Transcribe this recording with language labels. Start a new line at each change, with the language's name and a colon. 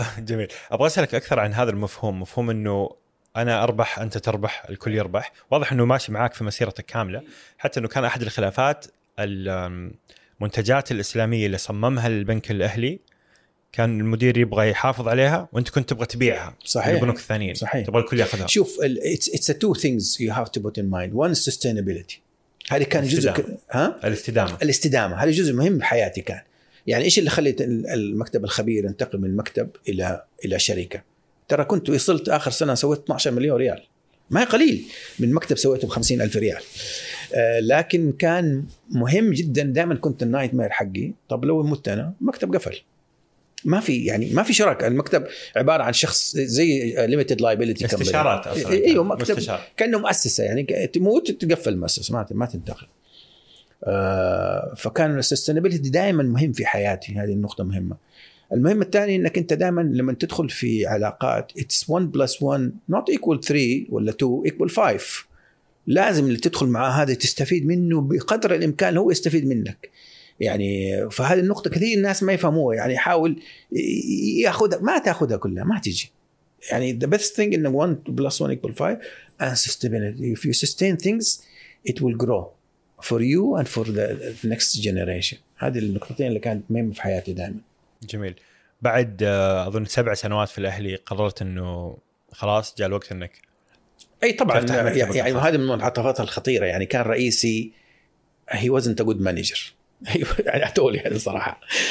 Arabic: جميل، ابغى اسألك اكثر عن هذا المفهوم، مفهوم انه أنا أربح أنت تربح الكل يربح. واضح أنه ماشي معاك في مسيرتك كاملة، حتى أنه كان أحد الخلافات المنتجات الإسلامية اللي صممها البنك الأهلي كان المدير يبغى يحافظ عليها وأنت كنت تبغى تبيعها. صحيح. البنوك الثانية تبغى الكل يأخذها.
English: شوف it's two things you have to put in mind. One is sustainability،
Arabic: هذه كان جزء الاستدامة هذا جزء مهم بحياتي كان. يعني إيش اللي خليت المكتب الخبير انتقل من مكتب إلى شركة؟ ترى كنت وصلت آخر سنة سويت 12 مليون ريال، ما هي قليل، من مكتب سويته بخمسين ألف ريال. لكن كان مهم جدا، دائما كنت النايت مير حقي، طب لو مت أنا مكتب قفل، ما في يعني ما في شراكة، المكتب عبارة عن شخص زي ليميتد لايبيليتي استشارات أصلاً. أيوه مكتب مستشار. كأنه مؤسسة يعني، تموت تقفل المؤسسة ما تنتقل. فكان السستينابيليتي دائما مهم في حياتي، هذه النقطة مهمة. المهم الثاني انك انت دائما لما تدخل في علاقات
English: it's 1 plus 1 not equal 3
Arabic: ولا
English: 2 equal 5،
Arabic: لازم اللي تدخل معاه هذا تستفيد منه بقدر الامكان هو يستفيد منك يعني. فهذه النقطه كثير الناس ما يفهموها يعني، يحاول ياخذها ما تاخذها كلها ما تجي يعني.
English: the best thing in 1 plus 1 equal 5 and sustainability. if you sustain things it will grow for you and for the next generation.
Arabic: هذه النقطتين اللي كانت مهمه في حياتي دائما. جميل، بعد أظن 7 سنوات في الأهلي قررت أنه خلاص جاء الوقت أنك أي طبعا يعني، وهذه من المنعطفات الخطيرة يعني. كان رئيسي
English: he wasn't a good manager
Arabic: يعني أتولي هذا صراحة.